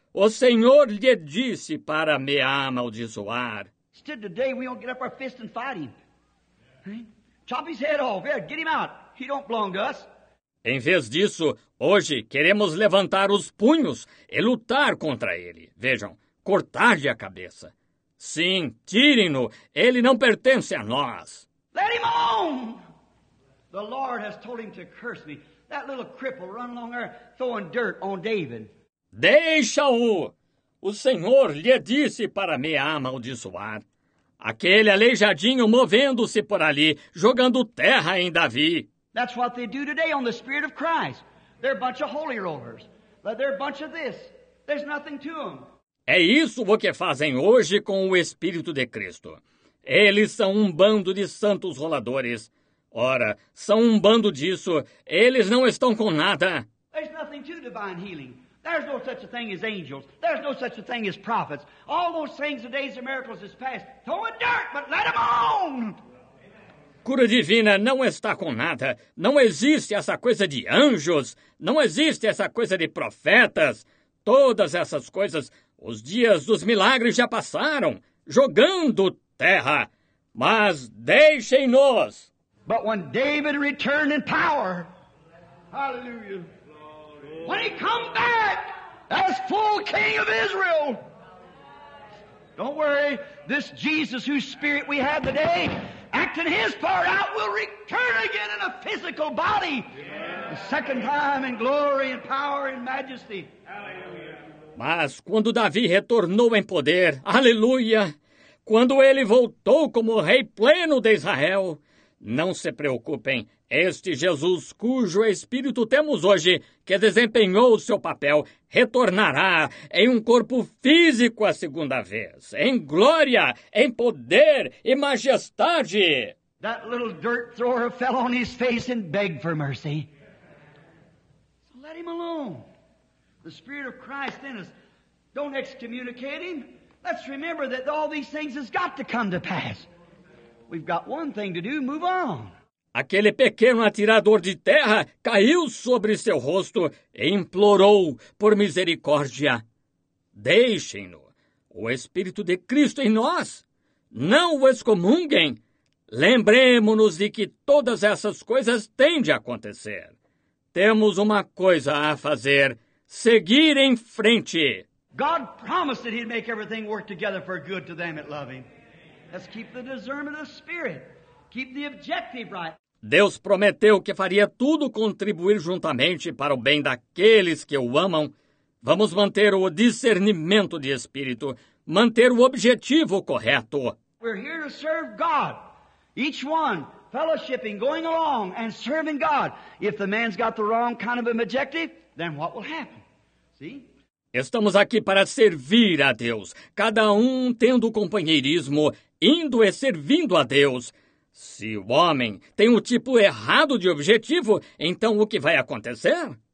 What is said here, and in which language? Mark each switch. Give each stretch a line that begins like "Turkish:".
Portuguese: O Senhor lhe disse para me amaldiçoar.
English: Instead of today, we don't get up our fist and fight him. Right? Chop his head off. Yeah, get him out. He don't belong to us.
Portuguese: Em vez disso, hoje queremos levantar os punhos e lutar contra ele. Vejam, cortar-lhe a cabeça. Sim, tirem-no. Ele não pertence a nós.
English: Let him alone! The Lord has told him to curse me. That little cripple run along there throwing dirt on David.
Portuguese: Deixa-o! O Senhor lhe disse para me amaldiçoar. Aquele aleijadinho movendo-se por ali, jogando terra em Davi.
English: That's what they do today on the Spirit of Christ. They're a bunch of holy rollers. But they're a bunch of this. There's nothing to them.
Portuguese: É isso o que fazem hoje com o Espírito de Cristo. Eles são um bando de santos roladores. Ora, são um bando disso. Eles não estão com nada.
English: There's nothing to divine healing. There's no such a thing as angels. There's no such a thing as prophets. All those things, the days of miracles is past. Throw in dirt, but let them on!
Portuguese: Cura divina não está com nada. Não existe essa coisa de anjos. Não existe essa coisa de profetas. Todas essas coisas, os dias dos milagres já passaram, jogando terra. Mas deixem-nos.
English: But when David returned in power, hallelujah, when he come back as full king of Israel, don't worry, this Jesus whose spirit we have today, acting his part out, will return again in a physical body, the second time in glory and power and majesty.
Portuguese: Mas quando Davi retornou em poder, aleluia, quando ele voltou como rei pleno de Israel, não se preocupem, este Jesus cujo espírito temos hoje, que desempenhou o seu papel, retornará em um corpo físico a segunda vez, em glória, em poder e majestade.
English: That little dirt thrower fell on his face and begged for mercy. So let him alone. The Spirit of Christ in us. Don't excommunicate him. Let's remember that all these things has got to come to pass. We've got one thing to do, move on.
Portuguese: Aquele pequeno atirador de terra caiu sobre seu rosto e implorou por misericórdia. Deixem-no. O Espírito de Cristo em nós. Não o excomunguem. Lembremos-nos de que todas essas coisas têm de acontecer. Temos uma coisa a fazer. Seguir em frente.
English: God promised that he'd make everything work together for good to them that love him. Let's keep the discernment of spirit. Keep the objective right.
Portuguese: Deus prometeu que faria tudo contribuir juntamente para o bem daqueles que o amam. Vamos manter o discernimento de espírito, manter o objetivo correto.
English: We're here to serve God. Each one fellowshipping, going along and serving God. If the man's got the wrong kind of an objective, then what will happen? See?
Portuguese: Estamos aqui para servir a Deus, cada um tendo companheirismo, indo e servindo a Deus. Se o homem tem o tipo errado de objetivo, então o que vai acontecer?